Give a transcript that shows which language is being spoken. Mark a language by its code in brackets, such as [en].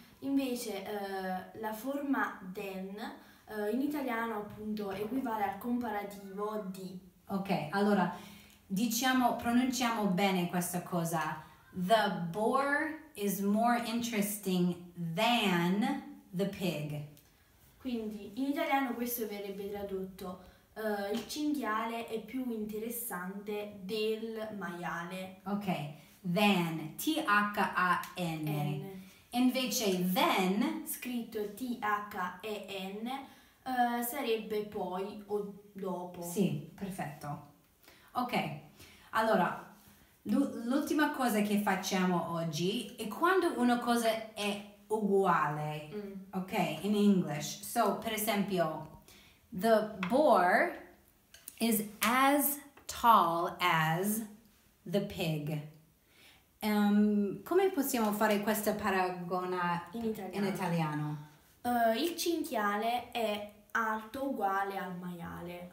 [it] Invece la forma then in italiano appunto equivale al comparativo di. Ok, allora diciamo, pronunciamo bene questa cosa. [en] The boar is more interesting than the pig. [it] Quindi in italiano questo verrebbe tradotto il cinghiale è più interessante del maiale. [en] Ok, than, T-H-A-N. [it] Invece then, scritto T-H-E-N, sarebbe poi o dopo. Sì, perfetto. Ok, allora, l'ultima cosa che facciamo oggi è quando una cosa è uguale, ok, [en] in English. So, [it] per esempio, [en] the boar is as tall as the pig. [it] Come possiamo fare questa paragona in italiano? In italiano? Il cinghiale è alto uguale al maiale.